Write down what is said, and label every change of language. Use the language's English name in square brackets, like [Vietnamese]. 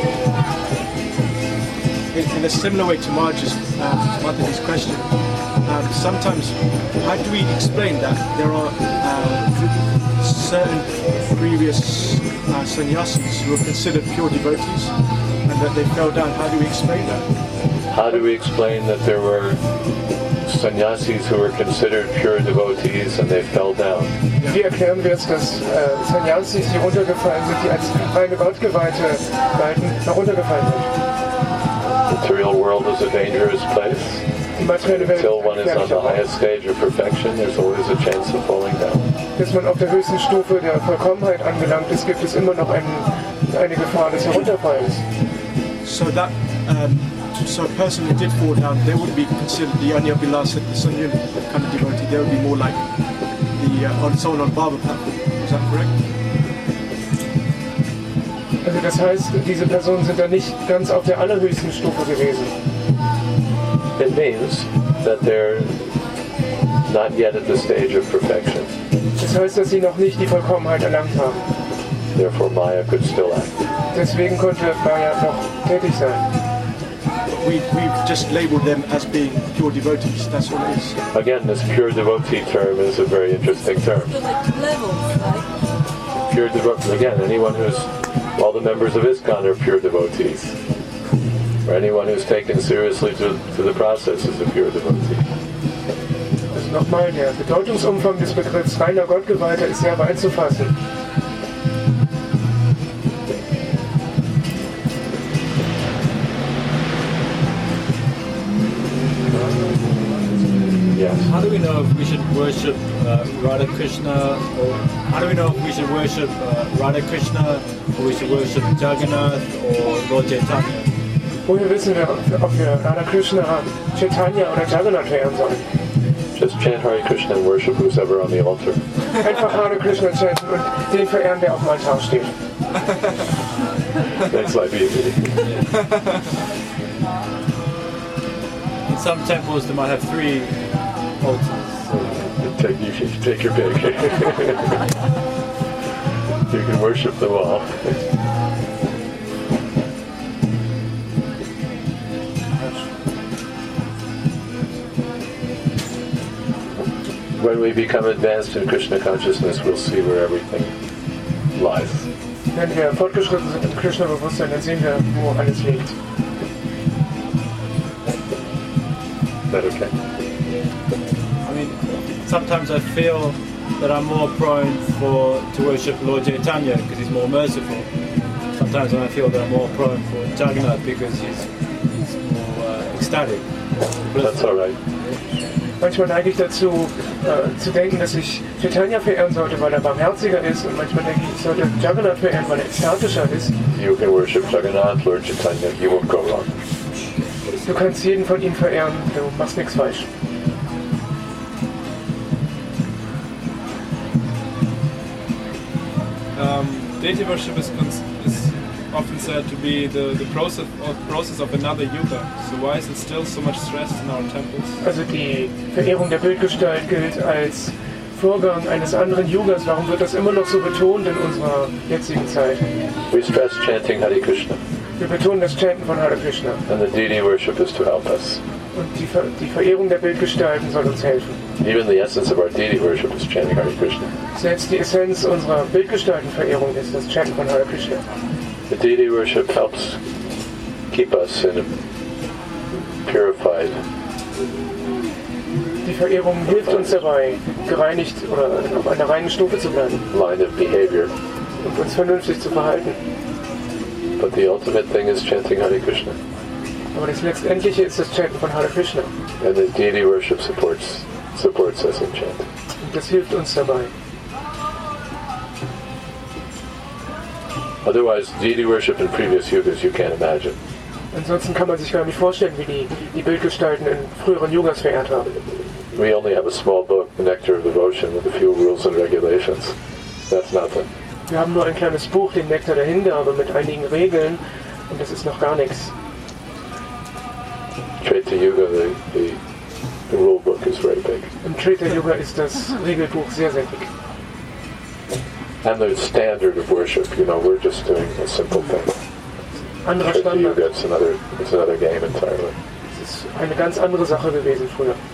[English] In a similar way to Marge's mother's question, sometimes how do we explain that there are certain previous sannyasins who are considered pure devotees and that they fell down? How do we explain that? How do we explain that there were sannyasis who were considered pure devotees and they fell down. [German] Wie erklären wir es, dass sannyasis, die runtergefallen sind, die als reine Gottgeweihte galten, heruntergefallen sind? [English] The material world is a dangerous place. Until one is on the highest stage of perfection, there's always a chance of falling down. [German] Bis man auf der höchsten Stufe der Vollkommenheit angelangt ist, gibt es immer noch eine Gefahr des Herunterfalls. [English] So that, so a person who did fall down, they would be considered the Anyabilasa, the Sunyan kind of devotee. They would be more like the someone on Baba path. Is that correct? [German] Also das heißt, diese Personen sind dann nicht ganz auf der allerhöchsten Stufe gewesen. [English] It means that they're not yet at the stage of perfection. [German] Das heißt, dass sie noch nicht die Vollkommenheit erlangt haben. [English] Therefore, Maya could still act. [German] Deswegen konnte Maya noch tätig sein. [English] We just labeled them as being pure devotees. That's what it is. Again, this pure devotee term is a very interesting term. Pure devotees. Again, anyone who's all the members of ISKCON are pure devotees. Or anyone who's taken seriously to the process is a pure devotee. [German] Also nochmal, der Bedeutungsumfang des Begriffs reiner Gottgeweihter ist sehr weit zu fassen. [English] Yes. How do we know if we should worship Radha Krishna, or how do we know if we should worship Radha Krishna, or we should worship Jagannath, or Lord Chaitanya? [German] Woher wissen wir, ob wir Radha Krishna, Chaitanya oder Jagannath verehren sollen? [English] Just chant Hare Krishna and worship who's ever on the altar. [German] Einfach Hare Krishna chanten und den verehren, der auf dem Altar steht. [English] Makes life easy. Yeah. In some temples, they might have three altars. Take your pick. You can worship them all. When we become advanced in Krishna consciousness, we'll see where everything lies. [German] Wenn wir fortgeschritten sind im Krishna-Bewusstsein, dann sehen wir, wo alles liegt. [English] Is that okay? I mean, sometimes I feel that I'm more prone to worship Lord Chaitanya because he's more merciful. Sometimes I feel that I'm more prone for Jagannath because he's more ecstatic. That's all right. [German] Manchmal neige ich dazu, zu denken, dass ich Chaitanya verehren sollte, weil er barmherziger ist. Und manchmal denke ich, ich sollte Jagannath verehren, weil er ekstatischer ist. [English] You can worship Jagannath, Lord Chaitanya. You won't go wrong. [German] Du kannst jeden von ihnen verehren. Du machst nichts falsch. [English] Deity worship is often said to be the process of another yuga. So why is it still so much stress in our temples? [German] Also die Verehrung der Bildgestalt gilt als Vorgang eines anderen Yugas. Warum wird das immer noch so betont in unserer jetzigen Zeit? [English] We stress chanting Hare Krishna. [German] Wir betonen das Chanten von Hare Krishna. [English] And the deity worship is to help us. [German] Und die Verehrung der Bildgestalten soll uns helfen. [English] Even the essence of our deity worship is chanting Hare Krishna. [German] Selbst die Essenz unserer Bildgestaltenverehrung ist das Chanten von Hare Krishna. [English] The deity worship helps keep us in a purified. [German] Die Verehrung hilft uns dabei, gereinigt oder auf einer reinen Stufe zu bleiben. [English] Line of behavior. [German] Und uns vernünftig zu verhalten. [English] But the ultimate thing is chanting Hare Krishna. [German] Aber das Letztendliche ist das Chanten von Hare Krishna. [English] And the deity worship supports us in chanting. [German] Und das hilft uns dabei. [English] Otherwise, deity worship in previous yugas, you can't imagine. [German] Ansonsten kann man sich gar nicht vorstellen, wie die Bildgestalten in früheren Yugas verehrt haben. [English] We only have a small book, The Nectar of Devotion, with a few rules and regulations. That's nothing. [German] Wir haben nur ein kleines Buch, den Nektar der Hingabe, mit einigen Regeln, und das ist noch gar nichts. [English] Treta Yuga, the rule book is very big. [German] Im Treta Yuga ist das Regelbuch sehr, sehr dick. [English] And the standard of worship, you know, we're just doing a simple thing. [German] Andere Standard. [English] It's another game entirely. [German] Es ist eine ganz andere Sache gewesen früher.